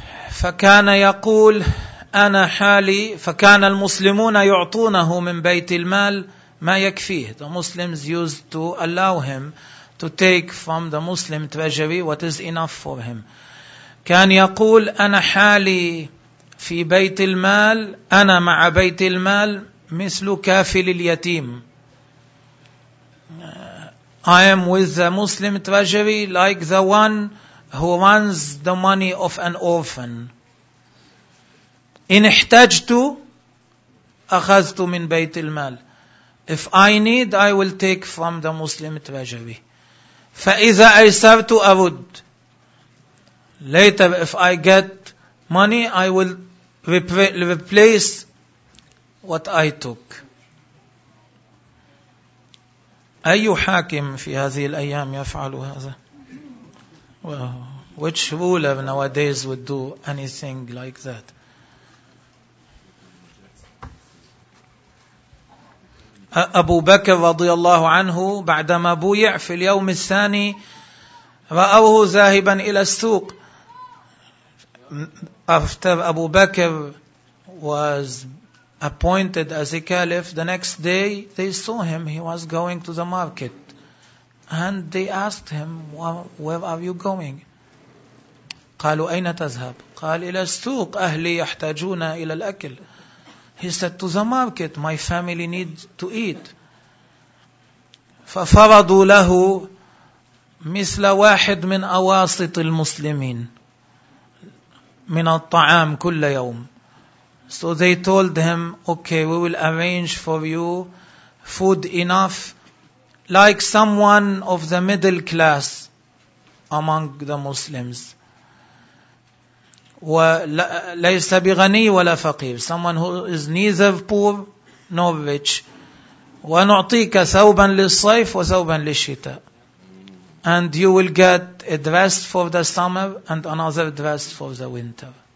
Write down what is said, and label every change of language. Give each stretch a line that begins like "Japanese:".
Arabic: فكان يقول أنا حالي، فكان المسلمون يعطونه من بيت المال ما يكفيه.
English: The Muslims used to allow him to take from the Muslim treasury what is enough for him.
Arabic: كان يقول أنا حالي في بيت المال، أنا مع بيت المال مثل كافل اليتيم.
English: I am with the Muslim treasury like the one who runs the money of an orphan.
Arabic: إن احتجت أخذت من بيت المال.
English: If I need, I will take from the Muslim treasury.
Arabic: فإذا أيسرت أرد.
English: Later, if I get money, I will replace what I took.
Arabic: أي حاكم في هذه الأيام يفعل هذا؟
English: Which ruler nowadays would do anything like that?
Arabic: أبو بكر رضي الله عنه بعدما بويع في اليوم الثاني رأوه ذاهبا إلى السوق.
English: After أبو بكر was appointed as a caliph, the next day they saw him, he was going to the market. And they asked him, where are you going?
Arabic: قالوا أين تذهب؟ قال إلى السوق، أهلي يحتاجون إلى الأكل.
English: He said, to the market, my family needs to eat.
Arabic: فَفَرَضُوا لَهُ مِثْلَ وَاحِدْ مِنْ أَوَاسِطِ الْمُسْلِمِينَ مِنَ الطَّعَامِ كُلَّ يَوْمٍ.
English: So they told him, okay, we will arrange for you food enough like someone of the middle class among the Muslims.
Arabic: وليس بغني ولا فقير.
English: Someone who is neither poor nor rich.
Arabic: ونعطيك ثوبا للصيف وثوبا للشتاء.
English: And you will get a dress for the summer and another dress for the winter.